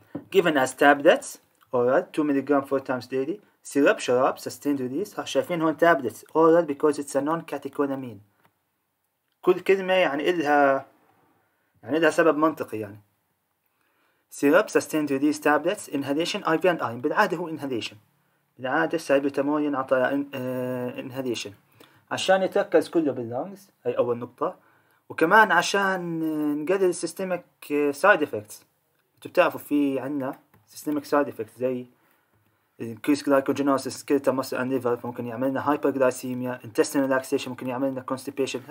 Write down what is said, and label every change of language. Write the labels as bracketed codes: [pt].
[en] given as tablets oral 2 milligram 4 times daily syrup شراب sustained release. [ar] ها شايفين هون [en] tablets oral because it's a non catecholamine. [ar] كل كلمة يعني إلها يعني إلها سبب منطقي. [en] يعني syrup sustained release tablets inhalation IV and IM. [ar] بالعادة هو inhalation، بالعادة السالبيوتامول ينعطى inhalation عشان يتركز كله باللونجز، هاي أول نقطة. وكمان عشان نقلل [en] systemic side effects. [ar] انتو بتعرفوا في عنا [en] systemic side effects [ar] زي [en] increase glycogenosis skeletal muscle and liver، [ar] ممكن يعمل لنا [en] hyperglycemia intestinal relaxation، [ar] ممكن يعمل لنا constipation.